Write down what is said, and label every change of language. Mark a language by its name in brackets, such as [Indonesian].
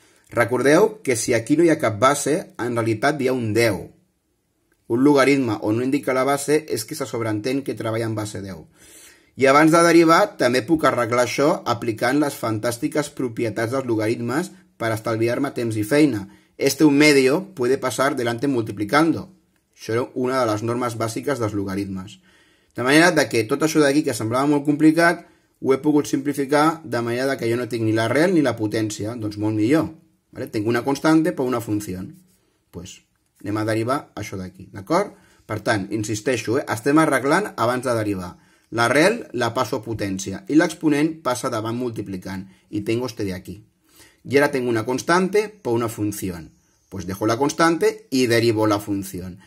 [Catalan] Recordeu que si aquí no hi ha cap base, en realitat hi ha un 10. Un logaritme on no indica la base és que se sobreentén que treballa en base 10. I abans de derivar, també puc arreglar això aplicant les fantàstiques propietats dels logaritmes per estalviar-me temps i feina. [Spanish] Este un medio puede pasar delante multiplicando. [Catalan] Això era una de les normes bàsiques dels logaritmes. De manera que tot això d'aquí, que semblava molt complicat, ho he pogut simplificar de manera que jo no tinc ni l'arrel ni la potència. Doncs molt millor. Vale? Tinc una constante per una funció. Pues, anem a derivar això d'aquí. D'acord? Per tant, insisteixo, estem arreglant abans de derivar. L'arrel la passo a potència i l'exponent passa davant multiplicant i [Spanish] tengo este de aquí. [Catalan] I ara [Spanish] tengo una constante [Catalan] per una funció. [Spanish] Pues dejo la constante [Catalan] i derivo la funció.